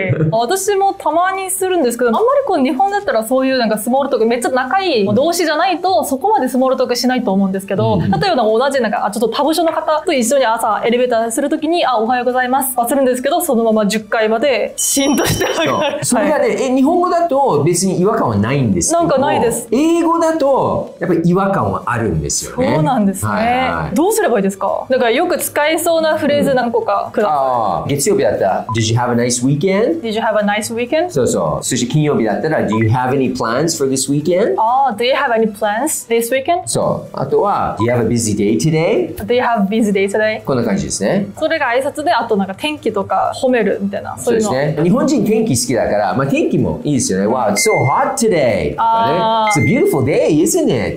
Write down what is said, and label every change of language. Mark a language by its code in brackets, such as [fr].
[ja] 私もたまにするんですけど、あんまりこう日本だったらそういうなんかスモールトークめっちゃ仲いい同士じゃないとそこまでスモールトークしないと思うんですけど、例えばなんか同じなんかちょっと他部署の方と一緒に朝エレベーターするときに、あ、おはようございます忘れるんですけど、そのまま10階までシーンとして上がる。それがね、日本語だと別に違和感はないんですけど、なんかないです。英語だとやっぱり違和感はあるんですよね。そうなんですね、はいはい。どうすればいいですか？だからよく使えそうなフレーズ何個か、うん、月曜日だったら [en] Did you have a nice weekend? Did you have a nice weekend? [ja] そうそう。そして金曜日だったら [en] Do you have any plans for this weekend? Oh, do you have any plans this weekend? [ja] そう。あとは [en] Do you have a busy day today? Do you have a busy day today? [ja] こんな感じですね。それが挨拶で、あとなんか天気とか褒めるみたいな、そういうの。そうですね。日本人天気好きだから、まあ天気もいいですよね。 [en] Wow, it's so hot today. It's a beautiful day, isn't it?